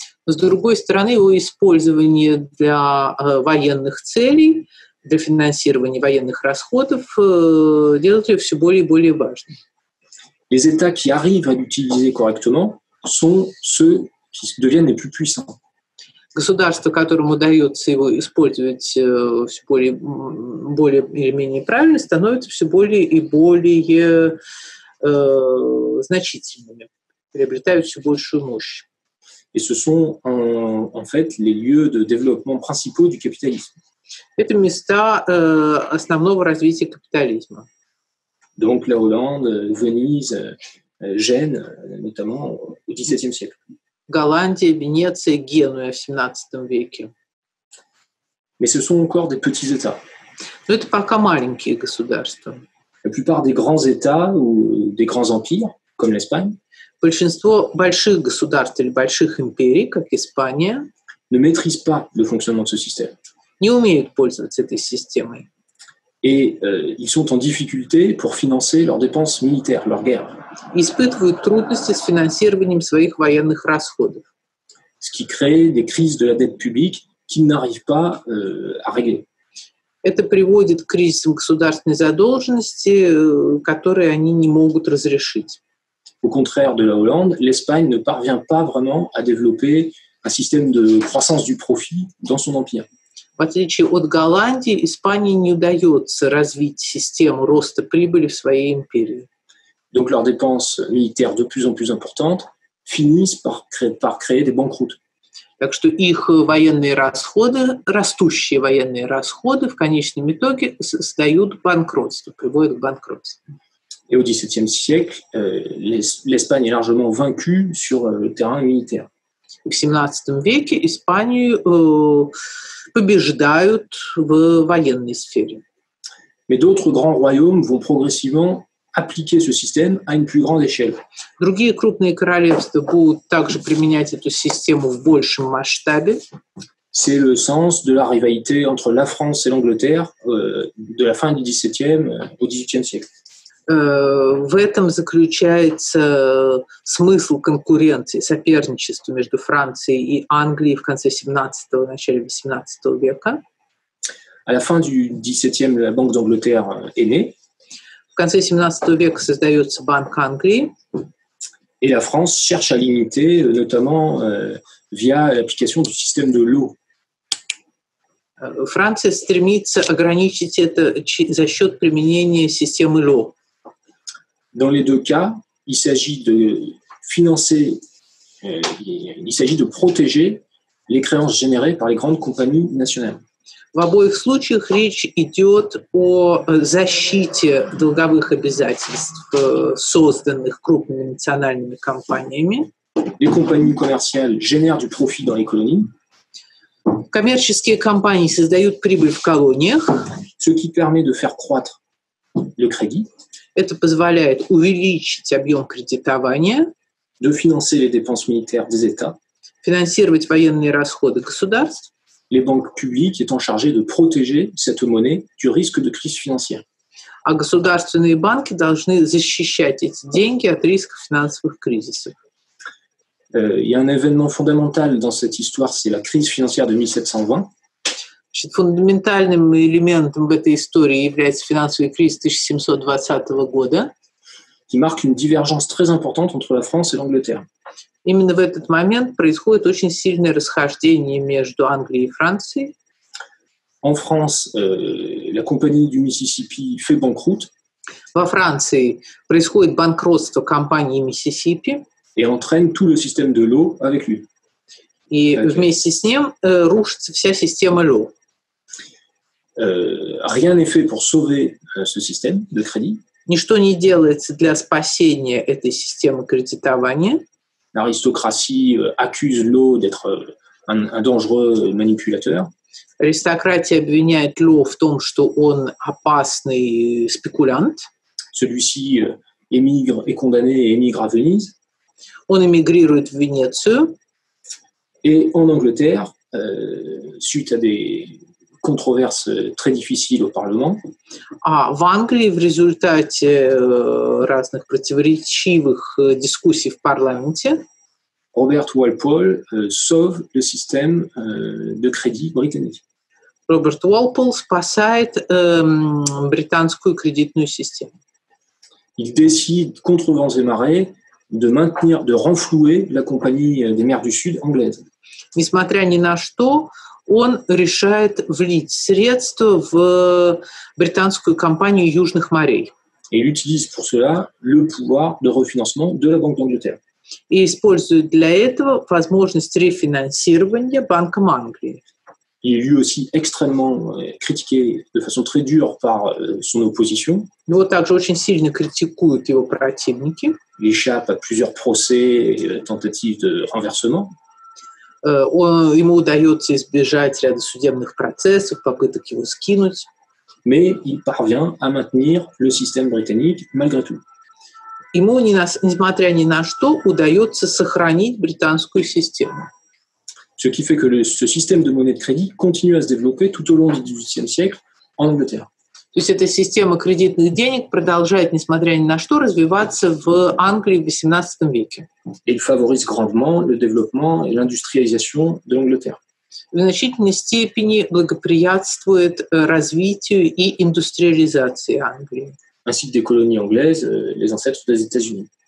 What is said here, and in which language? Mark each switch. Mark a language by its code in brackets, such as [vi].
[ru] С другой стороны, его использование для военных целей, для финансирования военных расходов делает ее все более и более важной. [fr] Les États qui arrivent à l'utiliser correctement sont ceux qui deviennent les plus puissants. [ru] государство, которому удается его использовать все более, более или менее правильно, становится все более и более значительными, приобретают все большую мощь. [fr] Et ce sont en fait les lieux de développement principaux du capitalisme. [ru] Это места основного развития капитализма. [fr] Donc la Hollande, Venise, Gênes, notamment au XVIIe siècle. [ru] Голландия, Венеция, Генуя в XVII веке. [fr] Mais ce sont encore des petits états. [ru] Но это пока маленькие государства. [fr] La plupart des grands états ou des grands empires, comme l'Espagne. [ru] Большинство больших государств или больших империй, как Испания, [fr] ne maîtrisent pas le fonctionnement de ce système. [ru] Не умеют пользоваться этой системой. [fr] Et ils sont en difficulté pour financer leurs dépenses militaires, leurs guerres. [ru] Испытывают трудности с финансированием своих военных расходов. [fr] Ce qui crée des crises de la dette publique qu'ils n'arrivent pas à régler. [ru] Это приводит к кризисам государственной задолженности, которые они не могут разрешить. [fr] Au contraire de la Hollande, l'Espagne ne parvient pas vraiment à développer un système de croissance du profit dans son empire. [ru] В отличие от Голландии, Испании не удается развить систему роста прибыли в своей империи. [fr] Donc leurs dépenses militaires de plus en plus importantes finissent par créer des banqueroutes. [ru] Так что их военные расходы, растущие военные расходы, в конечном итоге создают банкротство, приводят к банкротству. [fr] Et au XVIIe siècle, l'Espagne est largement vaincue sur le terrain militaire. [ru] В XVII веке Испанию побеждают в военной сфере. [fr] Mais d'autres grands royaumes vont progressivement appliquer ce système à une plus grande échelle. [ru] Другие крупные королевства будут также применять эту систему в большем масштабе. [fr] C'est le sens de la rivalité entre la France et l'Angleterre de la fin du XVIIe au XVIIIe siècle. [ru] В этом заключается смысл конкуренции, соперничества между Францией и Англией в конце XVII, начале XVIII века. [fr] À la fin du XVIIe, la Banque d'Angleterre est née. [ru] В конце XVII века создается Банк Англии. [fr] Et la France cherche à limiter, notamment via l'application du système de l'eau. [ru] Франция стремится ограничить это за счет применения системы ЛО. [fr] Dans les deux cas, il s'agit de financer, il s'agit de protéger les créances générées par les grandes compagnies nationales. [ru] В обоих случаях речь идет о защите долговых обязательств, созданных крупными национальными компаниями. [fr] Les compagnies commerciales génèrent du profit dans les colonies. [ru] Коммерческие компании создают прибыль в колониях. [fr] Ce qui permet de faire croître le crédit. [ru] Это позволяет увеличить объем кредитования, [fr] de financer les dépenses militaires des États, [ru] финансировать военные расходы государств. [fr] Les banques publiques étant chargées de protéger cette monnaie du risque de crise financière. [ru] А государственные банки должны защищать эти деньги от риска финансовых кризисов. [fr] Il y a un événement fondamental dans cette histoire, c'est la crise financière de 1720. [ru] Значит, фундаментальным элементом в этой истории является финансовый кризис 1720 года. [fr] Qui marque une divergence très importante entre la France et l'Angleterre. [ru] Именно в этот момент происходит очень сильное расхождение между Англией и Францией. [fr] En France, la compagnie du Mississippi fait banqueroute. [ru] Во Франции происходит банкротство компании Миссисипи. [fr] Et entraîne tout le système de l'eau avec lui. [ru] И вместе с ним рушится вся система ЛО. [fr] Rien n'est fait pour sauver ce système de crédit. [ru] Ничто не делается для спасения этой системы кредитования. [fr] L'aristocratie accuse ЛО d'être un dangereux manipulateur. [ru] Аристократия обвиняет ЛО в том, что он опасный спекулянт. [fr] Celui-ci émigre et condamné et émigre à Venise. [ru] Он эмигрирует в Венецию. [fr] Et en Angleterre, suite à des controverses très difficiles au Parlement, [ru] в Англии в результате разных противоречивых дискуссий в парламенте, [fr] Robert Walpole sauve le système de crédit britannique. [ru] Robert Walpole спасает британскую кредитную систему. [fr] Il décide contre vents et marées de maintenir, de renflouer la compagnie des mers du Sud anglaise. [ru] несмотря ни на что, он решает влить средства в британскую компанию Южных морей. [fr] Et il utilise pour cela le pouvoir de refinancement de la Banque d'Angleterre. [ru] И использует для этого возможность рефинансирования Банком Англии. [fr] Il est lui aussi extrêmement critiqué de façon très dure par son opposition. [ru] Его также очень сильно критикуют его противники. [fr] Il échappe à plusieurs procès et tentatives de renversement. [ru] Ему удается избежать ряда судебных процессов, попыток его скинуть. [fr] Mais il parvient à maintenir le système britannique malgré tout. [ru] Ему, несмотря ни на что, удается сохранить британскую систему. [fr] Ce qui fait que ce système de monnaie de crédit continue à se développer tout au long du XVIIIe siècle en Angleterre. [ru] То есть эта система кредитных денег продолжает, несмотря ни на что, развиваться в Англии в XVIII веке. [fr] Il favorise grandement le développement et l'industrialisation de l'Angleterre. [ru] В значительной степени благоприятствует развитию и индустриализации Англии. [fr] Ainsi que des colonies anglaises, les ancêtres des États-Unis.